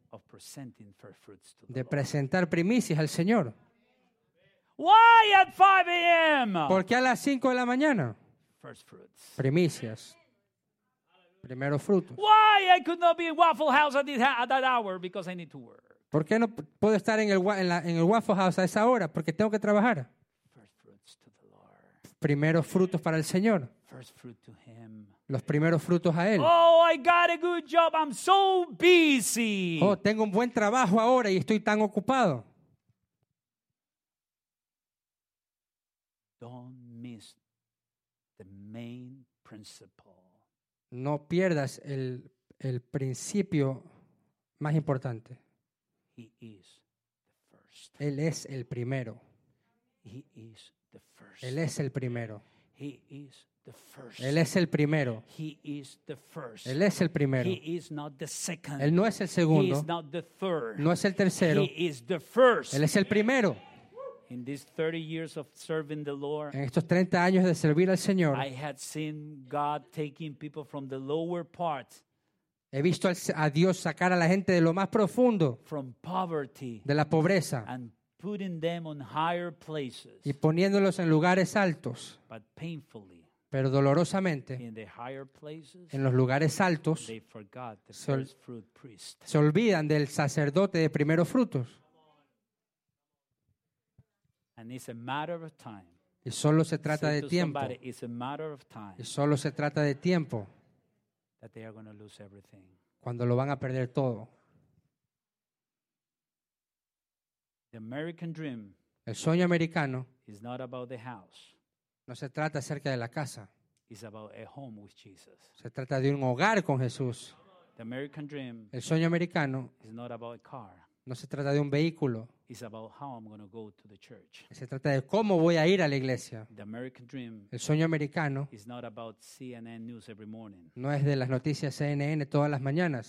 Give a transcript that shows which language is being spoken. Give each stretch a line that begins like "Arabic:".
English: of presenting first fruits to the Lord.
Spanish: De presentar primicias al Señor.
English: Why at 5 a.m.?
Spanish: ¿Por qué a las 5 de la mañana?
English: First fruits.
Spanish: Primicias. primero frutos.
English: Why I could not be in Waffle House at that hour because I need to work.
Spanish: ¿Por qué no puedo estar en el Waffle House a esa hora? Porque tengo que trabajar.
English: First fruits to the Lord.
Spanish: Primero frutos para el Señor.
English: First fruit to him.
Spanish: Los primeros frutos a él.
English: Oh, I got a good job. I'm so busy.
Spanish: Oh, tengo un buen trabajo ahora y estoy tan ocupado.
English: Don't miss the main principle.
Spanish: No pierdas el principio más importante.
English: He is the first.
Spanish: Él es el primero.
English: He is the first.
Spanish: Él es el primero.
English: He is the first.
Spanish: Él es el primero.
English: He is the first.
Spanish: Él es el primero.
English: He is not the second.
Spanish: Él no es el segundo.
English: He is not the third.
Spanish: No es el tercero.
English: He is the first.
Spanish: Él es el primero.
English: In these 30 years of serving the Lord,
Spanish: en estos 30 años de servir al Señor,
English: I had seen God taking people from the lower part.
Spanish: He visto a Dios sacar a la gente de lo más profundo,
English: from poverty,
Spanish: de la pobreza,
English: and putting them on higher places,
Spanish: y poniéndolos en lugares altos,
English: but painfully,
Spanish: pero dolorosamente,
English: in the higher places,
Spanish: en los lugares altos,
English: they forgot the first fruit priest.
Spanish: Se olvidan del sacerdote de primeros frutos.
English: And it's a matter of time.
Spanish: Y solo se trata de tiempo.
English: Somebody, it's a matter of time.
Spanish: Y solo se trata de tiempo.
English: That they are going to lose everything.
Spanish: Cuando lo van a perder todo.
English: The American dream.
Spanish: El sueño americano.
English: Is not about the house.
Spanish: No se trata acerca de la casa.
English: It's about a home with Jesus.
Spanish: Se trata de un hogar con Jesús.
English: The American dream.
Spanish: El sueño americano.
English: Is not about a car.
Spanish: No se trata de un vehículo.
English: It's about how I'm going to go to the church.
Spanish: Se trata de cómo voy a ir a la iglesia.
English: The American dream.
Spanish: El sueño americano.
English: Is not about CNN news every morning.
Spanish: No es de las noticias CNN todas las mañanas.